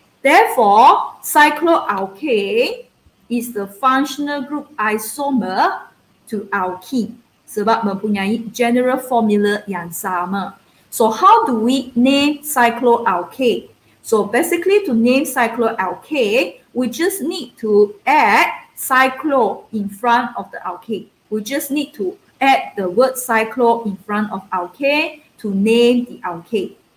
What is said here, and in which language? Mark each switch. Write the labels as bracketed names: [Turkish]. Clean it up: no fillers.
[English] Therefore, cycloalkane is the functional group isomer to alkene. [Malay] Sebab mempunyai general formula yang sama. [English] So how do we name cycloalkane? So basically, to name cycloalkane, we just need to add cyclo in front of the alkane. We just need to add the word cyclo in front of alkane to name the alkane.